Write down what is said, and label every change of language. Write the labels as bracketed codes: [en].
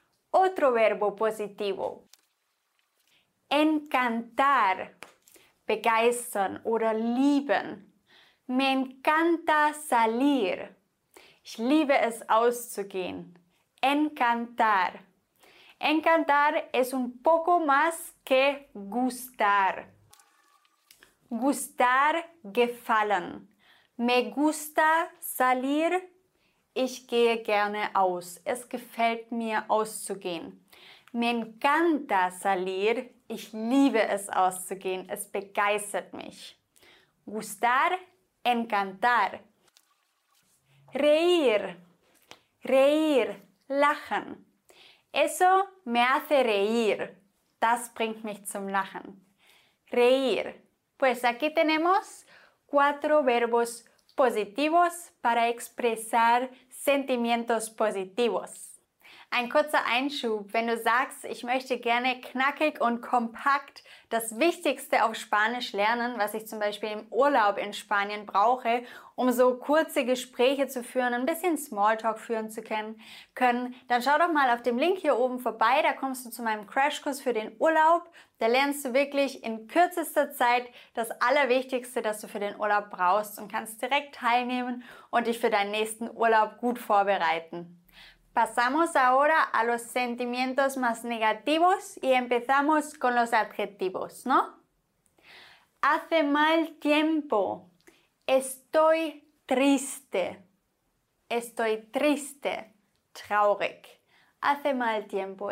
[es] Otro verbo positivo. Encantar, [de] begeistern oder lieben. [es] Me encanta salir. [de] Ich liebe es, auszugehen. [es] Encantar. Encantar es un poco más que gustar. Gustar, gefallen. Me gusta salir. [de] Ich gehe gerne aus. Es gefällt mir, auszugehen. [es] Me encanta salir. [de] Ich liebe es, auszugehen. Es begeistert mich. [es] Gustar, encantar. Reír, reír, lachen. Eso me hace reír. [de] Das bringt mich zum Lachen. [es] Reír. Pues aquí tenemos cuatro verbos positivos para expresar sentimientos positivos. [de] Ein kurzer Einschub, wenn du sagst, ich möchte gerne knackig und kompakt das Wichtigste auf Spanisch lernen, was ich zum Beispiel im Urlaub in Spanien brauche, um so kurze Gespräche zu führen, ein bisschen Smalltalk führen zu können, dann schau doch mal auf dem Link hier oben vorbei, da kommst du zu meinem Crashkurs für den Urlaub. Da lernst du wirklich in kürzester Zeit das Allerwichtigste, das du für den Urlaub brauchst und kannst direkt teilnehmen und dich für deinen nächsten Urlaub gut vorbereiten. [es] Pasamos ahora a los sentimientos más negativos y empezamos con los adjetivos, ¿no? Hace mal tiempo. Estoy triste. Estoy triste. Traurig. Hace mal tiempo.